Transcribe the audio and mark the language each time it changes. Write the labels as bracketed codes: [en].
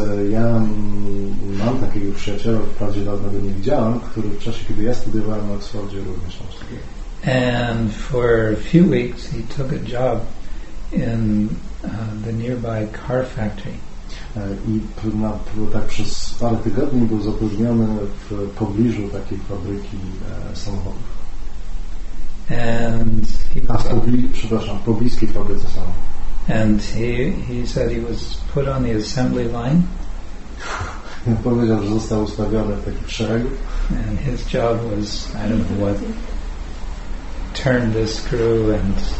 [pl] Ja mam takiego przyjaciela, wprawdzie dawno go nie widziałem, który w czasie, kiedy ja studiowałem w Oxfordzie, również miał studia. [en] And for a few weeks, he took a job in the nearby car factory. [pl] I tak przez parę tygodni był zatrudniony w pobliżu takiej fabryki samochodów. [en] And he [pl] was pobliskiej fabryce samochodów. [en] And he said he was put on the assembly line. [pl] powiedział, że został ustawiony w takim szeregu. [en] And his job was, I don't know what, turn the screw and